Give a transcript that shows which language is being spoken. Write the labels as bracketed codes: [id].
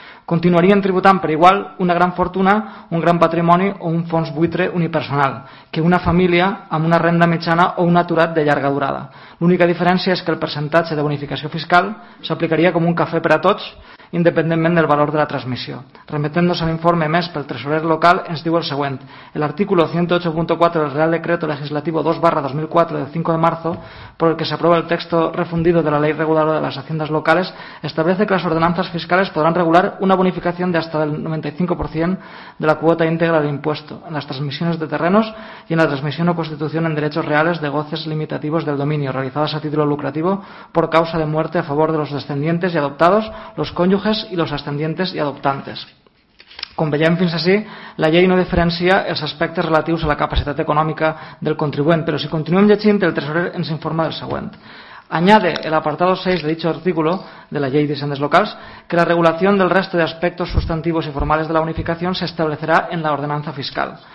[ca] Continuarien tributant per igual una gran fortuna, un gran patrimoni o un fons buitre unipersonal, que una família amb una renda mitjana o un aturat de llarga durada. L'única diferència és que el percentatge de bonificació fiscal s'aplicaria com un cafè per a tots, independentment del valor de la transmissió. Remetent-nos a l'informe emès pel tresorer local, ens diu el següent. [es] L'article 108.4 del Real Decreto Legislativo 2/2004 del 5 de marzo, por el que se aprueba el texto refundido de la Ley Reguladora de las Haciendas Locales, establece que las ordenanzas fiscales podrán regular una bonificación de hasta el 95% de la cuota íntegra del impuesto en las transmisiones de terrenos y en la transmisión o constitución en derechos reales de goces limitativos del dominio realizadas a título lucrativo por causa de muerte a favor de los descendientes y adoptados, los cónyuges i els ascendientes i adoptantes. [ca] Com veiem fins ací, la llei no diferencia els aspectes relatius a la capacitat econòmica del contribuent, però si continuem llegint, el tresorer ens informa del següent. [es] Añade el apartado 6 de dicho artículo de la Ley de Haciendas Locales que la regulación del resto de aspectos sustantivos y formales de la unificación se establecerá en la ordenanza fiscal.